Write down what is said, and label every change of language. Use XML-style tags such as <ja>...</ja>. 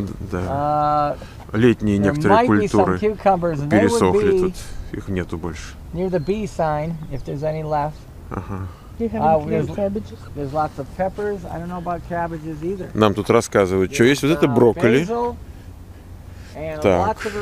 <ru>Да. Летние некоторые культуры пересохли тут, их нету больше.</ru> <en>Near the B sign, if there's any left. There's lots of peppers. I don't know about cabbages either.</en> <ru>Нам тут рассказывают, что есть вот это брокколи. Так.</ru>